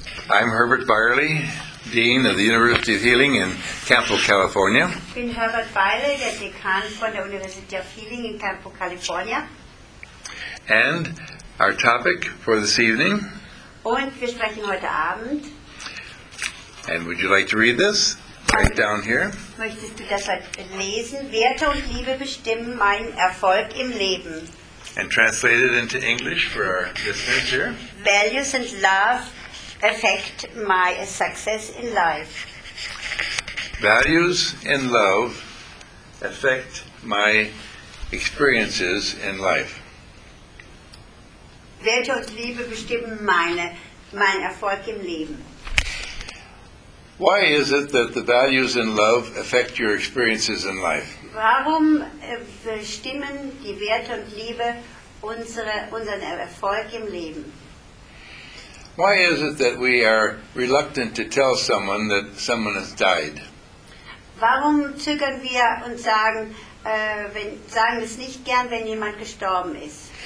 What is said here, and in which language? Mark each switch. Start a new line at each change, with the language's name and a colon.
English: I'm Herbert Byerly, Dean of the University of Healing in Campo, California.
German: Ich bin Herbert Byerly, der Dekan von der Universität of Healing in Campo, California.
English: And our topic for this evening.
German: Und wir sprechen heute Abend.
English: And would you like to read this? Right down here.
German: Möchtest du das lesen? Werte und Liebe bestimmen meinen Erfolg im Leben.
English: And translate it into English for our listeners here. Values and love affect my success in life. Values and love affect my experiences in life.
German: Werte und Liebe bestimmen mein Erfolg im Leben.
English: Why is it that the values and love affect your experiences in life?
German: Warum bestimmen die Werte und Liebe unseren Erfolg im Leben?
English: Why is it that we are reluctant to tell someone that someone has died?
German: Warum zögern wir und sagen es nicht gern, wenn jemand gestorben ist?